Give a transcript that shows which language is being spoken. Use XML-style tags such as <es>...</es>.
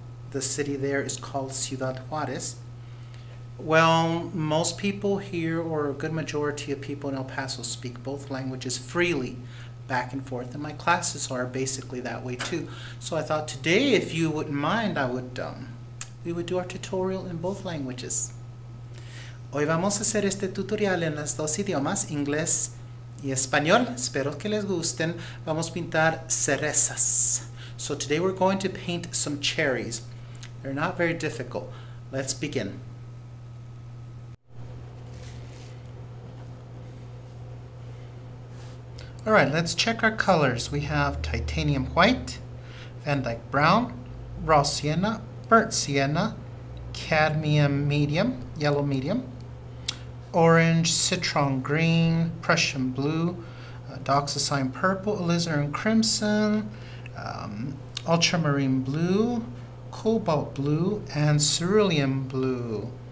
<en>The city there is called Ciudad Juarez. Well, most people here, or a good majority of people in El Paso, speak both languages freely, back and forth, and my classes are basically that way too. So I thought today, if you wouldn't mind, we would do our tutorial in both languages.</en> <es>Hoy vamos a hacer este tutorial en las dos idiomas, inglés y español. Espero que les gusten. Vamos a pintar cerezas.</es> <en>So today we're going to paint some cherries. They're not very difficult. Let's begin. All right, let's check our colors. We have titanium white, Van Dyke brown, raw sienna, burnt sienna, cadmium medium, yellow medium, orange, citron green, Prussian blue, doxycycline purple, alizarin crimson, ultramarine blue, cobalt blue, and cerulean blue.</en>